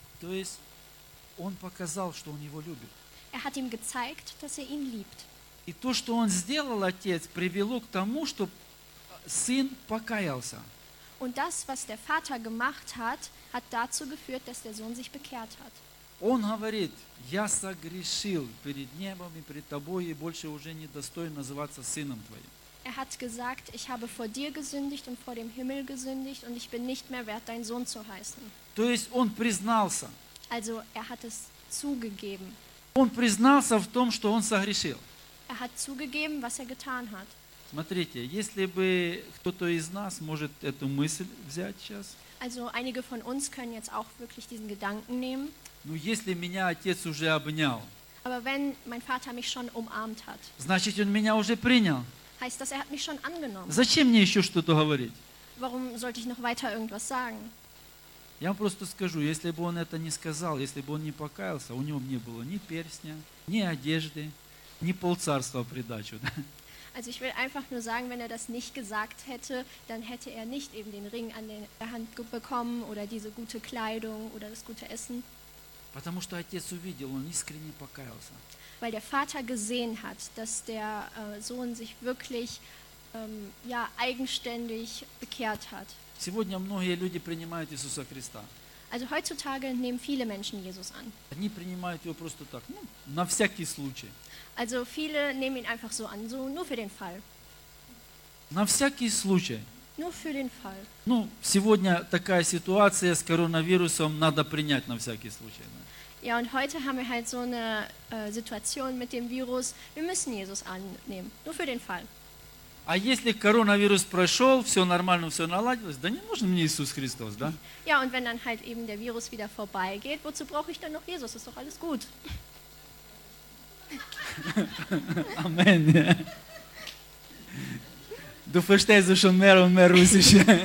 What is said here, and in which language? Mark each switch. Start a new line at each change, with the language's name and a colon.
Russian: То есть, он показал, что он его любит.
German: Er hat ihm gezeigt, dass er ihn liebt.
Russian: И то, что он сделал, отец, привело к тому, что сын покаялся.
German: Und das, was der Vater gemacht hat, hat dazu geführt, dass der Sohn sich bekehrt hat.
Russian: Он говорит: «Я согрешил перед небом и пред тобой, и больше уже не достоин называться сыном твоим».
German: Er hat gesagt: «Ich habe vor dir gesündigt und vor dem Himmel gesündigt und ich bin nicht mehr wert, dein Sohn zu heißen».
Russian: То есть он признался.
German: Also er hat es zugegeben.
Russian: Он признался в том, что он согрешил.
German: Er hat zugegeben, was er getan hat.
Russian: Смотрите, если бы кто-то из нас может эту мысль взять сейчас.
German: Also einige von uns können jetzt auch wirklich diesen Gedanken nehmen.
Russian: Ну если меня отец уже обнял.
German: Aber wenn mein Vater mich schon umarmt hat.
Russian: Значит, он меня уже принял.
German: Heißt das, er hat mich schon angenommen.
Russian: Зачем мне еще что-то говорить?
German: Warum sollte ich noch weiter irgendwas sagen?
Russian: Я вам просто скажу, если бы он это не сказал, если бы он не покаялся, у него не было ни перстня, ни одежды, ни полцарства в придачу. Да?
German: Also ich will einfach nur sagen, wenn er das nicht gesagt hätte, dann hätte er nicht eben den Ring an der Hand bekommen oder diese gute Kleidung oder das gute Essen.
Russian: Потому что отец увидел, он искренне покаялся.
German: Weil der Vater gesehen hat, dass der Sohn sich wirklich eigenständig bekehrt hat.
Russian: Сегодня многие люди принимают Иисуса Христа.
German: Also heutzutage nehmen viele Menschen Jesus an.
Russian: Они принимают его просто так, ну, на всякий случай.
German: Also viele nehmen ihn einfach so an, so nur für den Fall.
Russian: На всякий случай.
German: Nur für den Fall.
Russian: Ну, сегодня такая ситуация с коронавирусом, надо принять на всякий случай. Да?
German: Ja, und heute haben wir halt so eine Situation mit dem Virus. Wir müssen Jesus annehmen, nur für den Fall.
Russian: А если коронавирус прошел, все нормально, все наладилось, да не нужен мне Иисус Христос, да?
German: Ja, und wenn dann halt eben der Virus wieder vorbeigeht, wozu brauche ich dann noch Jesus? Ist doch alles gut. Amen. Du verstehst es schon mehr und mehr Russisch.